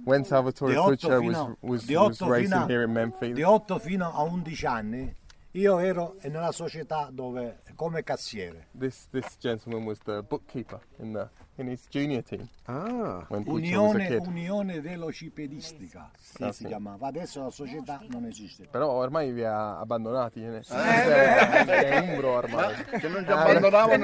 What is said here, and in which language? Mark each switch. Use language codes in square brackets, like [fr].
[en] When Salvatore Puccio was racing here in Memphis. [it] Di 8 fino a 11 anni io ero nella società dove come cassiere. [en] This gentleman was the bookkeeper in his junior team. [it] Unione Velocipedistica, sì, si chiamava. Adesso la società non esiste. Però ormai vi ha abbandonati. È umbro ormai. Se non ci abbandonavano,